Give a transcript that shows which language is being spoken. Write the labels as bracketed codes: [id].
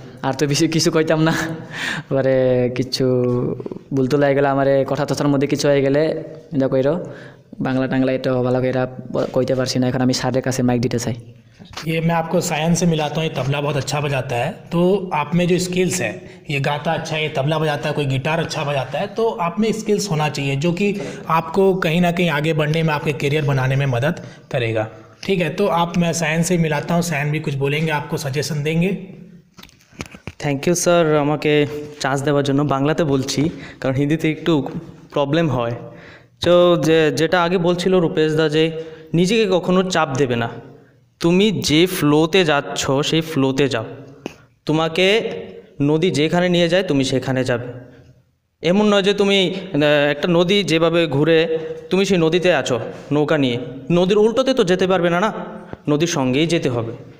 [bn] আর তো বেশি কিছু কইতাম না, এবারে কিছু বলতে লাগে গেলে আমার কথা তথার মধ্যে কিছু হয়ে গেলে এটা কইরো, বাংলা টাংলা এটা ভালো করে কইতে পারছি না, এখন আমি স্যারের কাছে মাইক দিতে চাই। [hi] ये मैं आपको साइंस से मिलाता हूँ, ये तबला बहुत अच्छा बजाता है, तो आप में जो स्किल्स है, ये गाता अच्छा है, ये तबला बजाता है, कोई गिटार अच्छा बजाता है, तो आप में स्किल्स होना चाहिए जो कि आपको कहीं ना कहीं आगे बढ़ने में, आपके करियर बनाने में मदद करेगा। ठीक है, तो आप मैं साइंस से मिलाता हूँ, साइंस भी कुछ बोलेंगे, आपको सजेशन देंगे। [en] thank you sir, [bn] আমাকে চান্স দেওয়ার জন্য, বাংলাতে বলছি কারণ হিন্দিতে একটু প্রবলেম হয়। তো যেটা আগে বলছিল রূপেশদা যে নিজেকে কখনো চাপ দেবে না, তুমি যে ফ্লোতে যাচ্ছ সেই ফ্লোতে যাও, তোমাকে নদী যেখানে নিয়ে যায় তুমি সেখানে যাবে, এমন নয় যে তুমি একটা নদী যেভাবে ঘুরে তুমি সেই নদীতে আছো নৌকা নিয়ে, নদীর উল্টোতে তো যেতে পারবে না, না নদীর সঙ্গেই যেতে হবে।